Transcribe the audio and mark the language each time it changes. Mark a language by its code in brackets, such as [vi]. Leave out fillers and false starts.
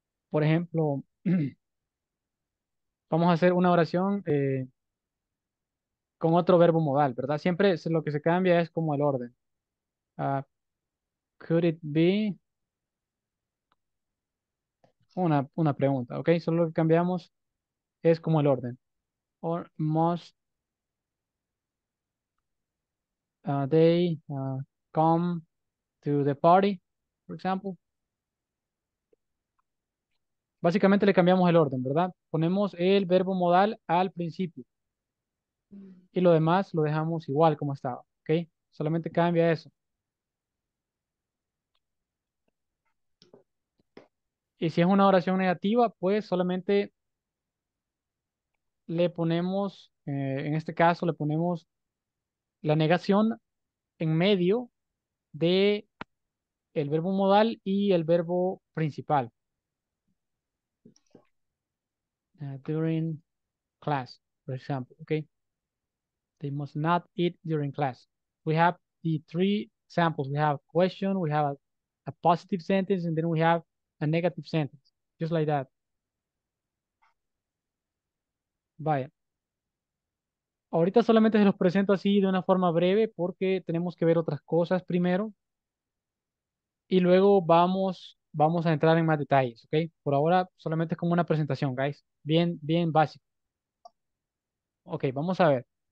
[es] Por ejemplo, vamos a hacer una oración con otro verbo modal, ¿verdad? Siempre lo que se cambia es como el orden. [en] Could it be? [es] Una pregunta, ¿ok? Solo lo que cambiamos es como el orden. [en] Or must they come to the party, for example? [es] Básicamente le cambiamos el orden, ¿verdad? Ponemos el verbo modal al principio. Y lo demás lo dejamos igual como estaba, ¿ok? Solamente cambia eso. Y si es una oración negativa, pues solamente le ponemos, en este caso le ponemos la negación en medio de el verbo modal y el verbo principal. [en] During class, for example, okay? They must not eat during class. We have the three samples. We have a question, we have a positive sentence, and then we have a negative sentence, just like that. [es] Vaya. Ahorita solamente se los presento así de una forma breve porque tenemos que ver otras cosas primero. Y luego vamos a entrar en más detalles, ¿ok? Por ahora, solamente es como una presentación, guys. Bien, bien básico. Ok, vamos a ver.